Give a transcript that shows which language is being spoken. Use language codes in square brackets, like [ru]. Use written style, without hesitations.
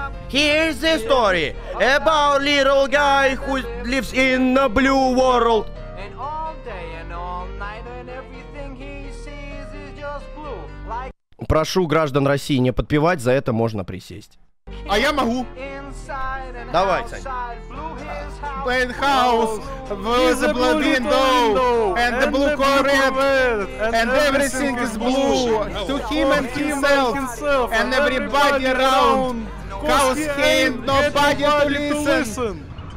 [en] Here's the story about little guy who lives in the blue world. And all day and all night and everything he sees is just blue. Like... [ru] Прошу граждан России не подпевать, за это можно присесть. А я могу. Давай, Сань. [en] Blue house, blue window, and the blue carpet, and everything is blue to him and himself, and everybody around. Cause he ain't nobody to listen.